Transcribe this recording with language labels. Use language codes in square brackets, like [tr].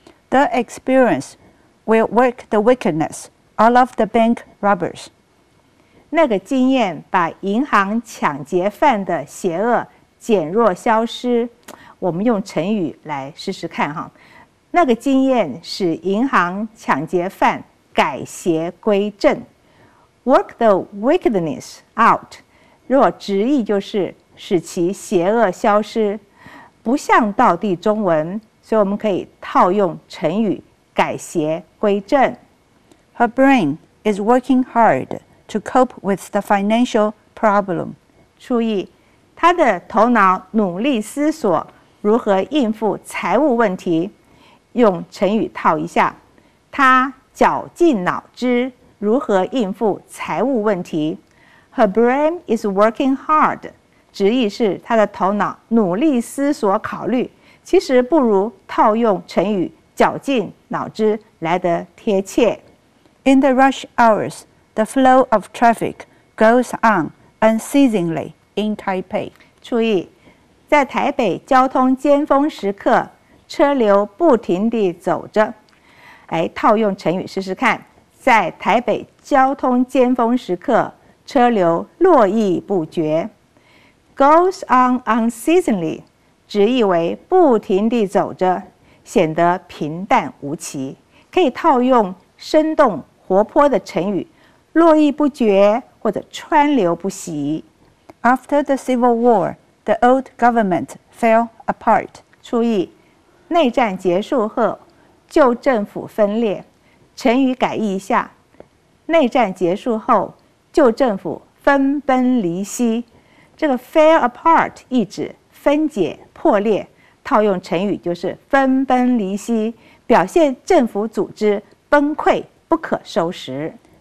[en] The experience will work the wickedness out of the bank robbers. [zh] 那个经验把银行抢劫犯的邪恶减弱消失。我们用成语来试试看哈，那个经验使银行抢劫犯改邪归正。 [en] Work the wickedness out， [zh] 若直译就是使其邪恶消失，不像道地中文，所以我们可以套用成语改邪归正。 [en] Her brain is working hard to cope with the financial problem。 [zh] 注意，她的头脑努力思索如何应付财务问题，用成语套一下，她绞尽脑汁如何应付财务问题。 [en] Her brain is working hard。 [zh] 直译是他的头脑努力思索考虑，其实不如套用成语绞尽脑汁来得贴切。 [en] In the rush hours, the flow of traffic goes on unceasingly in Taipei. [zh] 注意，在台北交通尖峰时刻，车流不停地走着。哎，套用成语试试看，在台北交通尖峰时刻，车流络绎不绝。 [en] Goes on unceasingly， [zh] 直译为不停地走着，显得平淡无奇。可以套用生动活泼的成语，络绎不绝或者川流不息。 [en] After the Civil War, the old government fell apart. [zh] 注意，内战结束后，旧政府分裂。成语改译一下，内战结束后，旧政府分崩离析。这个 [en] fell apart [zh] 意指分解破裂，套用成语就是分崩离析，表现政府组织崩溃不可收拾。